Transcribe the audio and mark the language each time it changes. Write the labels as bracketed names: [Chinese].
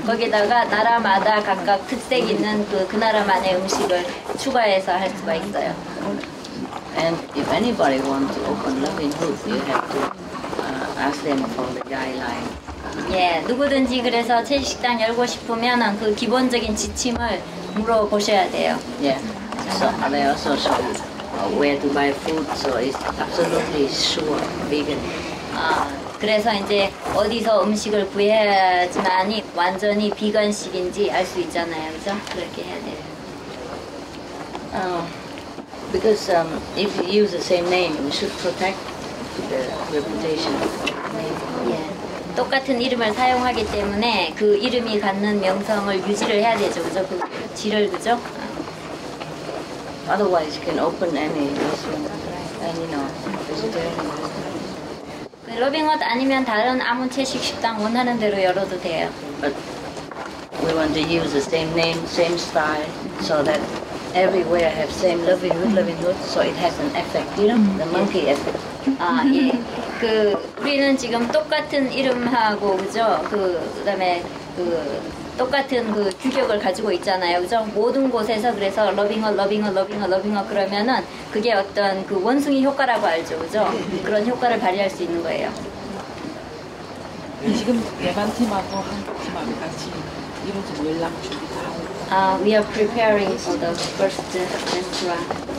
[Korean] 거기다가 나라마다 각각 특색 있는 그 나라만의 음식을 추가해서 할 수가 있어요. [English] And if anybody wants to open Loving Hut, you have to ask them for the guideline. [Korean] 예, 누구든지 그래서 채식당 열고 싶으면 그 기본적인 지침을 물어보셔야 돼요. [English] Yeah. So are they also show where to buy food, so it's absolutely sure vegan. [Korean] 그래서 이제 어디서 음식을 구해야지만이 완전히 비건식인지 알 수 있잖아요, 그죠? 그렇게 해야 돼요. [English] Because if you use the same name, you should protect the reputation. Yeah. [Korean] 똑같은 이름을 사용하기 때문에 그 이름이 갖는 명성을 유지를 해야 되죠. 그죠? 그 질을, 그죠? [English] Otherwise, you can open any restaurant, any, you know, vegetarian restaurant. [Korean] 러빙헛 아니면 다른 아무 채식 식당 원하는 대로 열어도 돼요. [English] But we want to use the same name, same style, so that everywhere have same loving hood, so it has an effect, you know, the monkey effect. [Korean] 아, 예. 그 우리는 지금 똑같은 이름하고, 그죠? 그 그다음에 그 똑같은 그 규격을 가지고 있잖아요, 그죠? 모든 곳에서 그래서 러빙헛 그러면은 그게 어떤 그 원숭이 효과라고 알죠, 그죠? 그런 효과를 발휘할 수 있는 거예요. 지금 예반팀하고 한국팀하고 같이 이번 주 연락 준비 다 하고. [English] We are preparing for the first restaurant.